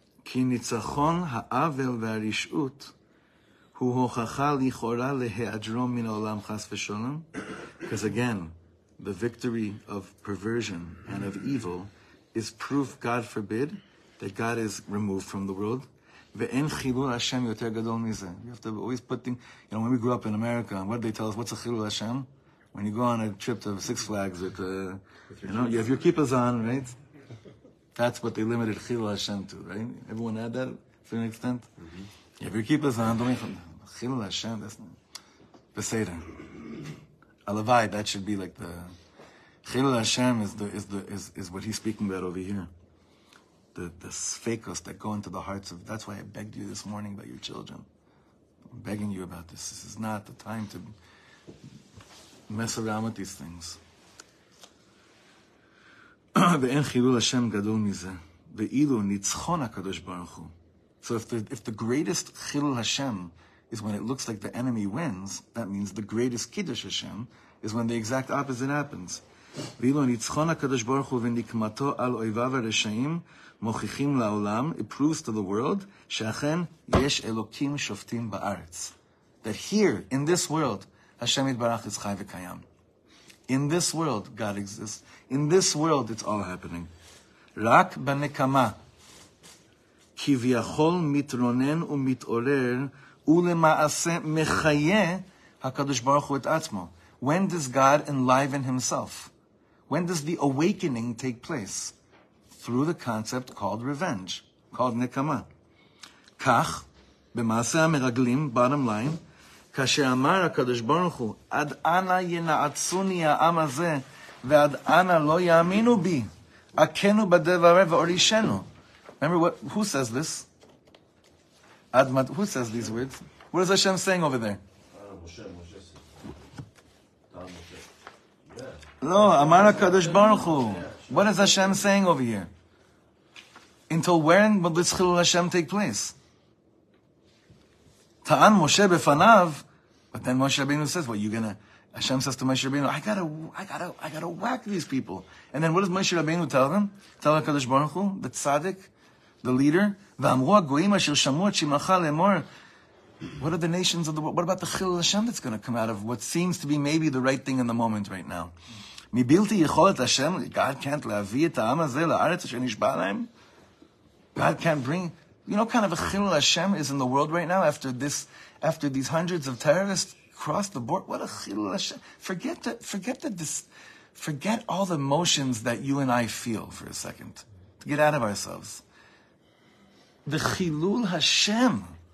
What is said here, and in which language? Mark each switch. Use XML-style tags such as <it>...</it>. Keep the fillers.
<he>כי ניצחון העוול והרשעות הוא הוכחה לכאורה להיעדרו מן העולם חס ושלום.</he> <en>Because again, the victory of perversion and of evil is proof, God forbid, that God is removed from the world.</en> <he>ואין חילול השם יותר גדול מזה.</he> <en>You have to always put things, you know, when we grew up in America, what did they tell us? What's a חילול השם? When you go on a trip to Six Flags with, uh, you know, you have your keepers on, right? That's what they limited Chilul Hashem to, right? Everyone had that to an extent. If you keep us on, don't make Chilul Hashem. That's not Beseder. Alavai. That should be like the Chilul Hashem is the is the is, is what he's speaking about over here. The the sfekos that go into the hearts of. That's why I begged you this morning about your children. I'm begging you about this. This is not the time to mess around with these things.</en> <he>ואין חילול השם גדול מזה, ואילו ניצחון הקדוש ברוך הוא.</he> <en>So if the, if the greatest חילול Hashem is when it looks like the enemy wins, that means the greatest קידוש Hashem is when the exact opposite happens.</en> <he>ואילו ניצחון הקדוש ברוך הוא ונקמתו על אויביו הרשעים מוכיחים לעולם,</he> <en>it proves to the world,</en> <he>שאכן יש אלוקים שופטים בארץ.</he> <en>That here, in this world, Hashem יתברך is</en> <he>חי וקיים.</he> <en>In this world, God exists. In this world, it's all happening.</en> <he>רק בנקמה. כביכול מתרונן ומתעורר, ולמעשה מחיה הקדוש ברוך הוא את עצמו.</he> <en>When does God enliven himself? When does the awakening take place? Through the concept called revenge, called נקמה.</en> <he>כך, במעשה המרגלים,</he> <en>bottom line,</en> <he>כאשר אמר הקדוש ברוך הוא, עד אנה ינעצוני העם הזה, ועד אנה לא יאמינו בי, הכנו בדברי ואורישנו.</he> <en>Remember what, who says this?</en> <he>עד מת,</he> <en>who says these words? What is Hashem saying over there? Ah, Moshe, Moshe. Ah, Moshe. Yeah.</en> <he>לא, אמר הקדוש ברוך הוא.</he> <en>What is Hashem saying over here? Until when will this חילול Hashem take place?</en> <he>טען משה בפניו,</he> <en>but then Moshe Rabbeinu says, well, you gonna, Hashem says to Moshe Rabbeinu, I gotta, I gotta, I gotta whack these people. And then what does Moshe Rabbeinu tell them? Tell HaKadosh Baruch Hu, the tzaddik, the leader,</en> <he>ואמרו הגויים אשר שמעו את שמך לאמור,</he> <en>what are the nations of the world? What about the Chil Hashem that's going to come out of what seems to be maybe the right thing in the moment right now?</en> <he>מבלתי יכולת Hashem,</he> <en>God can't</en> <he>להביא את העם הזה לארץ אשר נשבע להם?</he> <en>God can't bring. You know, kind of a chilul Hashem is in the world right now after this, after these hundreds of terrorists crossed the board. What a chilul Hashem! Forget that. Forget that. This. Forget all the emotions that you and I feel for a second. To get out of ourselves. The chilul Hashem.</en>